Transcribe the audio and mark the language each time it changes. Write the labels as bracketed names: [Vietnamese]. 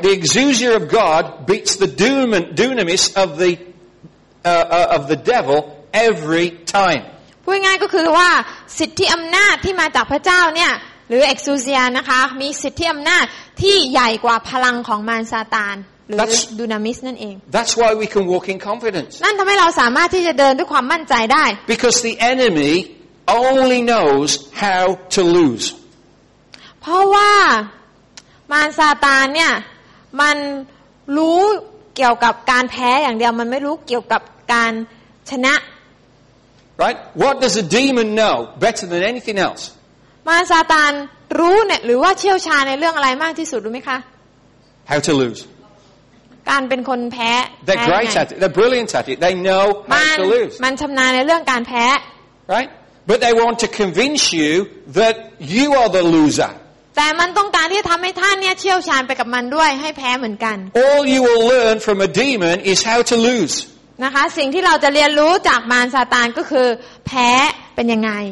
[English] The exousia of God beats the dunamis of theof the devil every time. [Thai] พูดง่ายก็คือว่าสิทธิอำนาจที่มาจากพระเจ้าเนี่ยหรือ exousia นะคะมีสิทธิอำนาจที่ใหญ่กว่าพลังของมารซาตานหรือ dunamis นั่นเอง [English] That's why we can walk in confidence. [Thai] นั่นทำให้เราสามารถที่จะเดินด้วยความมั่นใจได้ [English] Because the enemy only knows how to lose. [Thai] เพราะว่ามารซาตานเนี่ยมันรู้เกี่ยวกับการแพ้อย่างเดียวมันไม่รู้เกี่ยวกับการชนะ [English] Right What does a demon know better than anything else [Thai] มารซาตานรู้เนี่ยหรือว่าเชี่ยวชาญในเรื่องอะไรมากที่สุดรู้มั้ยคะ [English] How to lose [Thai] การเป็นคนแพ้ [English] They're great at it They're brilliant at it They know how to lose [Thai] มันชํานาญในเรื่องการแพ้ [English] Right But they want to convince you that you are the loser [Thai] แต่มันต้องการที่จะทำให้ท่านเนี่ยเชี่ยวชาญไปกับมันด้วยให้แพ้เหมือนกัน [English] All you will learn from a demon is how to lose [Thai] นะคะสิ่งที่เราจะเรียนรู้จากมารซาตานก็คือแพ้เป็นยังไง